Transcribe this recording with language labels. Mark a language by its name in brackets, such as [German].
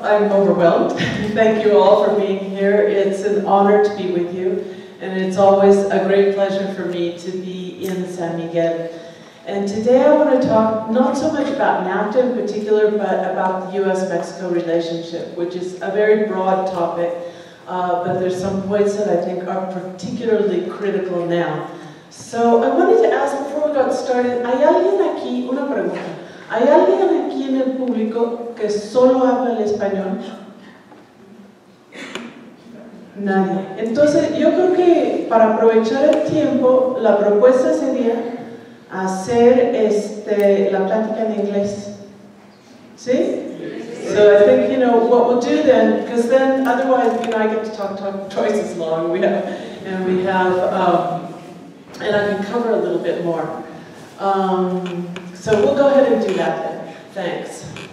[English] Overwhelmed. Thank you all for being here. It's an honor to be with you, and it's always a great pleasure for me to be in San Miguel. And today I want to talk not so much about NAFTA in particular, but about the U.S.-Mexico relationship, which is a very broad topic, but there's some points that I think are particularly critical now. So I wanted to ask before we got started, [Spanish] ¿hay alguien aquí? Una pregunta. ¿Hay alguien aquí en el público que solo habla el español? Nadie. Entonces, yo creo que para aprovechar el tiempo, la propuesta sería hacer la plática en inglés. ¿Sí? [English] So I think, you know, what we'll do then, because then otherwise, you know, I get to talk twice as long. And I can cover a little bit more. So we'll go ahead and do that then. Thanks.